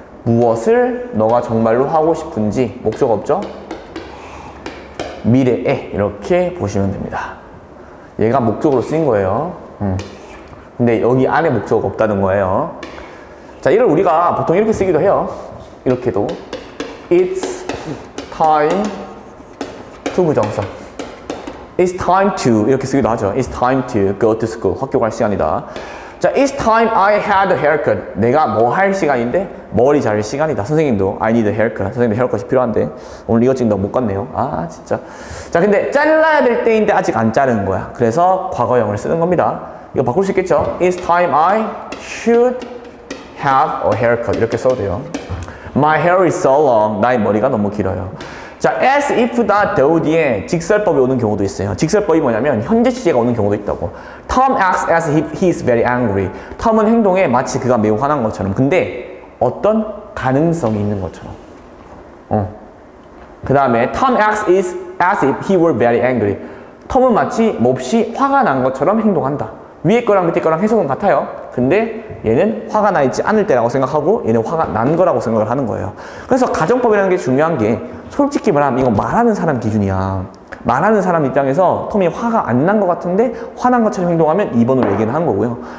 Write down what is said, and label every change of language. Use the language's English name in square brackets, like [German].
[Korean] 무엇을 너가 정말로 하고 싶은지. 목적 없죠? 미래에. 이렇게 보시면 됩니다. 얘가 목적으로 쓰인 거예요. 근데 여기 안에 목적 없다는 거예요. 자, 이걸 우리가 보통 이렇게 쓰기도 해요. 이렇게도. [English] It's time to [Korean] 부정사. [English] It's time to [Korean] 이렇게 쓰기도 하죠. [English] It's time to go to school. [Korean] 학교 갈 시간이다. [English] 자, It's time I had a haircut. [Korean] 내가 뭐 할 시간인데? 머리 자를 시간이다. 선생님도 [English] I need a haircut. [Korean] 선생님도 헤어컷이 필요한데 오늘 이거 찍는다고 못 갔네요. 아, 진짜. 자, 근데 잘라야 될 때인데 아직 안 자른 거야. 그래서 과거형을 쓰는 겁니다. 이거 바꿀 수 있겠죠? [English] It's time I should have a haircut. [Korean] 이렇게 써도 돼요. [English] My hair is so long. [Korean] 나의 머리가 너무 길어요. 자, as, if, that, though 뒤에 직설법이 오는 경우도 있어요. 직설법이 뭐냐면 현재 시제가 오는 경우도 있다고. [English] Tom acts as if he is very angry. [Korean] Tom은 행동에 마치 그가 매우 화난 것처럼. 근데 어떤 가능성이 있는 것처럼. 그 다음에 [English] Tom acts as if he were very angry. [Korean] Tom은 마치 몹시 화가 난 것처럼 행동한다. 위에 거랑 밑에 거랑 해석은 같아요. 근데 얘는 화가 나 있지 않을 때라고 생각하고 얘는 화가 난 거라고 생각을 하는 거예요. 그래서 가정법이라는 게 중요한 게 솔직히 말하면 이건 말하는 사람 기준이야. 말하는 사람 입장에서 톰이 화가 안 난 것 같은데 화난 것처럼 행동하면 2번으로 얘기를 하는 거고요.